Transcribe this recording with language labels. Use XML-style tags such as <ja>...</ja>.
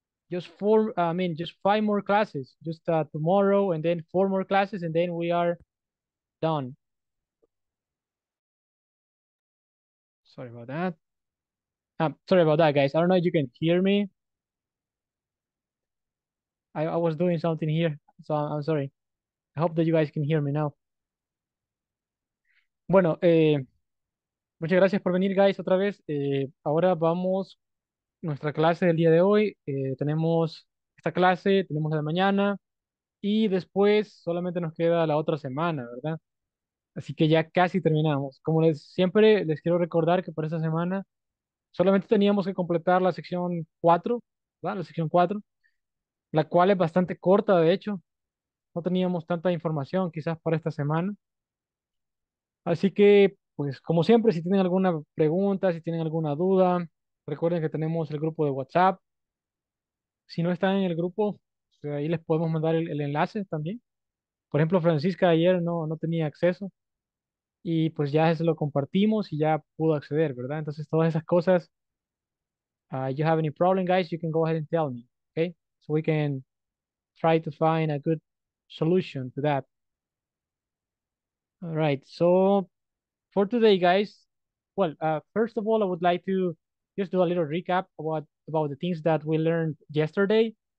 <en>Just four, I mean, just five more classes, just tomorrow, and then four more classes, and then we are done. Sorry about that. Sorry about that, guys. I don't know if you can hear me. I was doing something here, so I'm sorry. I hope that you guys can hear me now.</en> <es>Bueno, muchas gracias por venir, guys, otra vez. Ahora vamos nuestra clase del día de hoy. Tenemos esta clase, tenemos la de mañana, y después solamente nos queda la otra semana, ¿verdad? Así que ya casi terminamos. Como les siempre les quiero recordar que por esta semana solamente teníamos que completar la sección 4, ¿verdad? La sección 4, la cual es bastante corta, de hecho. No teníamos tanta información quizás para esta semana. Así que, pues, como siempre, si tienen alguna pregunta, si tienen alguna duda, recuerden que tenemos el grupo de WhatsApp. Si no están en el grupo, pues ahí les podemos mandar el enlace también. Por ejemplo, Francisca ayer no tenía acceso. y pues ya se lo compartimos y ya pudo acceder, ¿verdad? Entonces todas esas cosas,</es> <en>you have any problem, guys, you can go ahead and tell me, okay? So we can try to find a good solution to that. All right, so for today, guys, well, first of all, I would like to just do a little recap about the things that we learned yesterday.</en>